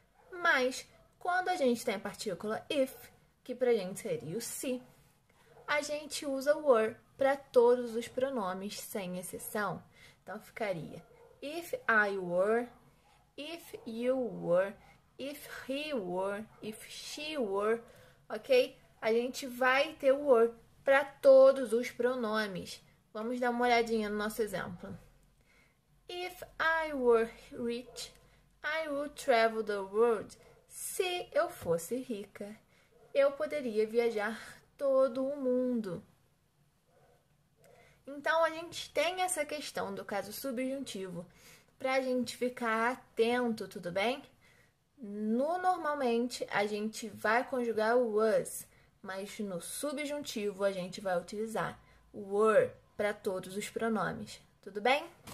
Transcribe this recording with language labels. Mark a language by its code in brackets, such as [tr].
[pt] Mas, quando a gente tem a partícula if, que para a gente seria o se, a gente usa were para todos os pronomes sem exceção. Então ficaria [en] If I were, if you were, if he were, if she were, ok? [pt] A gente vai ter o were para todos os pronomes. Vamos dar uma olhadinha no nosso exemplo. [en] If I were rich, I would travel the world. [pt] Se eu fosse rica, eu poderia viajar todo o mundo. Então, a gente tem essa questão do caso subjuntivo para a gente ficar atento, tudo bem? No normalmente, a gente vai conjugar o was, mas no subjuntivo a gente vai utilizar o were para todos os pronomes, tudo bem?